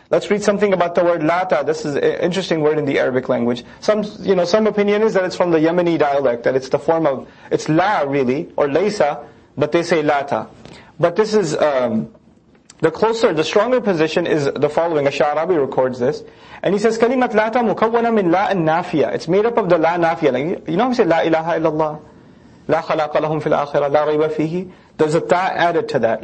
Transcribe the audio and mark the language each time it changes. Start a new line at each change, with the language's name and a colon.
English: Let's read something about the word lata. This is an interesting word in the Arabic language. Some opinion is that it's from the Yemeni dialect, that it's the form of, it's la really, or laysa, but they say lata. But this is, the stronger position is the following. Ash-Sha'arabi records this. And he says,
Arabic: كَلِمَةْ لَاتَ مُكَوَّنَ مِنْ لَا النَّافِيَ.
English: It's made up of the la nafiya. Like, you know how we say la ilaha illallah?
Arabic: La خَلَاقَ لَهُمْ فِي الْآخِرَةِ لَا رَيْبَ فِيهِ.
English: There's a ta added to that.